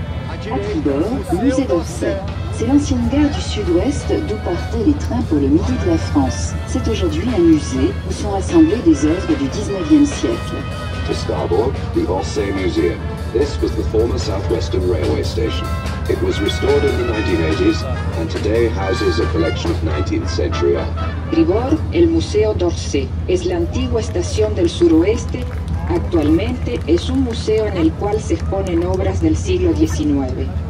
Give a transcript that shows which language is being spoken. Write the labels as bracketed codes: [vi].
[fr] Entrée d'or, musée d'Orsay. C'est l'ancienne gare du sud-ouest d'où partaient les trains pour le midi de la France. C'est aujourd'hui un musée où sont rassemblées des œuvres du 19e siècle. [en] To Starboard, the Orsay Museum. This was the former Southwestern Railway Station. It was restored in the 1980s and today houses a collection of 19th century art. [es] Tribord, el Museo d'Orsay. Es la antigua estación del suroeste. Actualmente es un museo en el cual se exponen obras del siglo XIX.